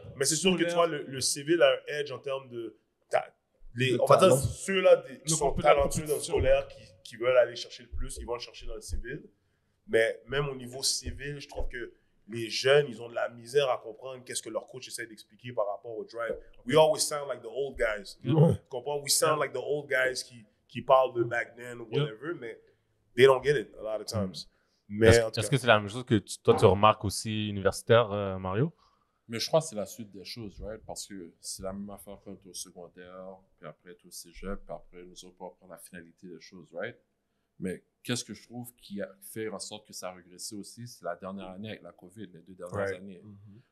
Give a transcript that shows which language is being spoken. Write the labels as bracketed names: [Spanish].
[French] Mais c'est sûr que tu vois, le civil a un edge en termes de... On va dire ceux-là qui sont talentueux dans le scolaire, qui veulent aller chercher le plus, ils vont le chercher dans le civil. Mais même au niveau civil, je trouve que les jeunes, ils ont de la misère à comprendre qu'est-ce que leur coach essaie d'expliquer par rapport au drive. [English] We always sound like the old guys. Mm-hmm. [French] Comprends? [English] We sound like the old guys [French] qui parlent de [English] back then [French] ou [English] whatever, [French] mais [English] they don't get it a lot of times. [French] Mais est-ce que c'est la même chose que toi tu remarques aussi universitaire, Mario? Mais je crois que c'est la suite des choses, [English] right? [French] Parce que c'est la même affaire quand tu es au secondaire, puis après tu es au cégep, puis après nous autres pour apprendre la finalité des choses, right? Mais qu'est-ce que je trouve qui a fait en sorte que ça a régressé aussi, c'est la dernière année avec la COVID, les deux dernières années. Mm-hmm.